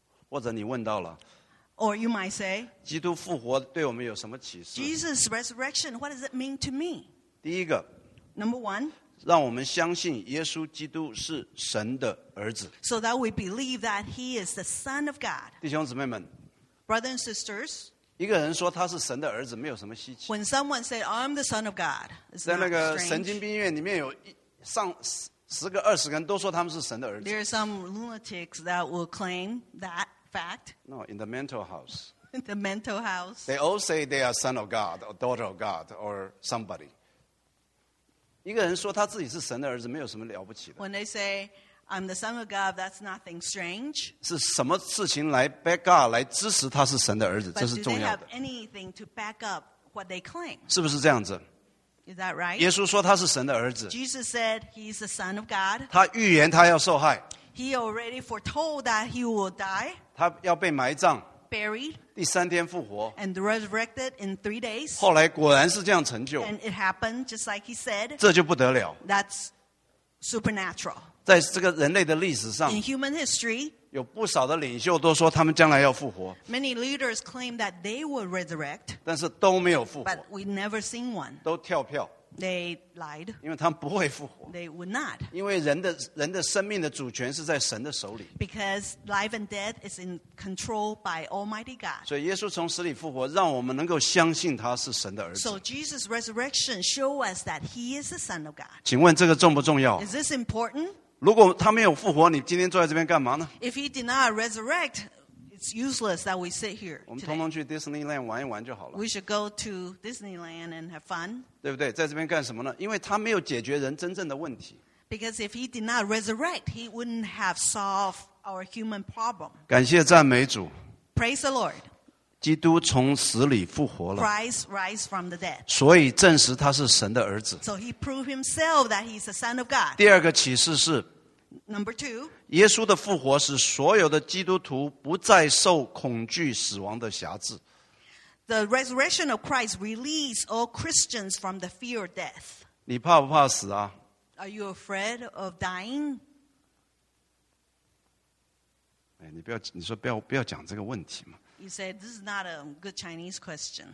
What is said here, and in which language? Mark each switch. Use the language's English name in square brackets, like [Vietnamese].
[Chinese] 跟他们说我真的是复活了。或者你问到了, [English] or you might say, [Chinese] 基督复活对我们有什么启示? [English] Jesus' resurrection, what does it mean to me? [Chinese] 第一个, [English] number one, [Chinese] 让我们相信耶稣基督是神的儿子。 [English] So that we believe that he is the Son of God. [Chinese] 弟兄姊妹们, [English] brothers and sisters, [Chinese] 一个人说他是神的儿子, 没有什么稀奇。 [English] When someone said, I'm the Son of God, it's not strange. [Chinese] 在那个神经病院里面有上十个二十个人都说他们是神的儿子。 [English] There are some lunatics that will claim that. fact. No, in the mental house. In the mental house. They all say they are son of God or daughter of God or somebody. [Chinese] 一个人说他自己是神的儿子，没有什么了不起的。 [English] When they say, I'm the son of God, that's nothing strange. [Chinese] 是什么事情来 [English] back up [Chinese] 来支持他是神的儿子, 这是重要的。 [English] But do they have anything to back up what they claim? [Chinese] 是不是这样子? [English] Is that right? [Chinese] 耶稣说他是神的儿子。 [English] Jesus said he's the son of God. [Chinese] 他预言他要受害。 [English] He already foretold that he will die. [Chinese] 他要被埋葬。 [English] Buried. [Chinese] 第三天复活, [English] and resurrected in 3 days. [Chinese] 后来果然是这样成就, [English] and it happened just like he said. [Chinese] 这就不得了, [English] that's supernatural. [Chinese] 在这个人类的历史上, [English] in human history, [Chinese] 有不少的领袖都说他们将来要复活, [English] many leaders claim that they will resurrect. [Chinese] 但是都没有复活, [English] but we've never seen one. [Chinese] 都跳票, [English] they lied. [Chinese] 因为他们不会复活, [English] they would not. [Chinese] 因为人的生命的主权是在神的手里, [English] because life and death is in control by Almighty God. [Chinese] 所以耶稣从死里复活, 让我们能够相信他是神的儿子。 [English] So Jesus' resurrection shows us that he is the Son of God. [Chinese] 请问这个重不重要? [English] Is this important? [Chinese] 如果他没有复活, 你今天坐在这边干嘛呢? [English] If he did not resurrect, it's useless that we sit here today. [Chinese] 我们通通去Disneyland玩一玩就好了。 [English] We should go to Disneyland and have fun. [Chinese] 对不对?在这边干什么呢? 因为他没有解决人真正的问题。 [English] Because if he did not resurrect, he wouldn't have solved our human problem. [Chinese] 感谢赞美主。 [English] Praise the Lord. [Chinese] 基督从死里复活了。 [English] Christ rise from the dead. [Chinese] 所以证实他是神的儿子。 [English] So he proved himself that he's the Son of God. [Chinese] 第二个启示是, [English] Number two, [Chinese] 耶稣的复活使所有的基督徒不再受恐惧死亡的辖制。 [English] The resurrection of Christ released all Christians from the fear of death. [Chinese] 你怕不怕死啊? [English] Are you afraid of dying? [Chinese] 你不要讲这个问题嘛。 [English] You said this is not a good Chinese question.